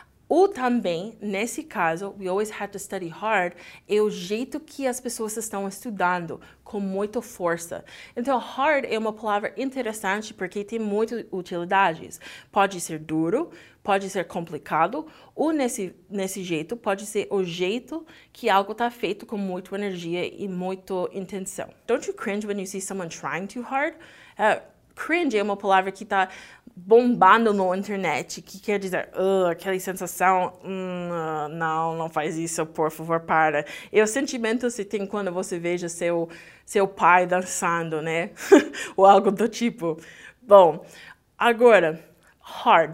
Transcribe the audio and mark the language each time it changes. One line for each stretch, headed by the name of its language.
Portuguese: Ou também, nesse caso,
English: we always had to study hard,
Portuguese: é o jeito que as pessoas estão estudando, com muita força. Então, hard é uma palavra interessante porque tem muitas utilidades. Pode ser duro, pode ser complicado, ou nesse jeito, pode ser o jeito que algo está feito com muita energia e muita intenção.
English: Don't you cringe when you see someone trying too hard?
Portuguese: Cringe é uma palavra que está bombando na internet, que quer dizer, aquela sensação, não faz isso, por favor, para. E o sentimento que você tem quando você veja seu pai dançando, né? Ou algo do tipo. Bom, agora, hard.